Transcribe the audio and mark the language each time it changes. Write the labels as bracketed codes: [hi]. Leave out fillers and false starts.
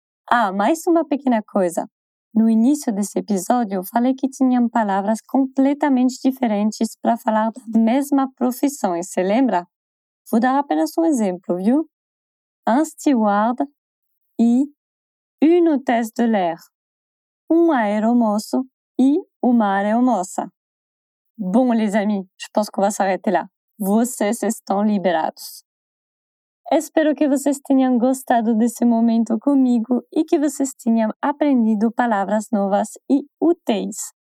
[pt] Ah, mais uma pequena coisa. No início desse episódio, eu falei que tinham palavras completamente diferentes para falar da mesma profissão, e você lembra? Vou dar apenas um exemplo, viu? [fr] Un steward e une hôtesse de l'air. [pt] Un aeromoço e uma aeromoça. Bom, [fr] les amis, je pense qu'on va s'arrêter là. [pt] Vocês estão liberados. Espero que vocês tenham gostado desse momento comigo e que vocês tenham aprendido palavras novas e úteis.